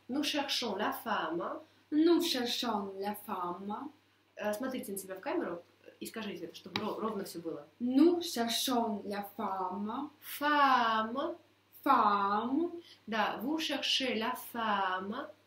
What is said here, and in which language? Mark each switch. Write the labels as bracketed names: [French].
[French] Nous cherchons la femme. Nous cherchons la femme. [Russian] Смотрите на себя в камеру и скажите это, чтобы ровно все было. [French] Nous cherchons la femme. Femme. Femme. Да, vous cherchez la femme.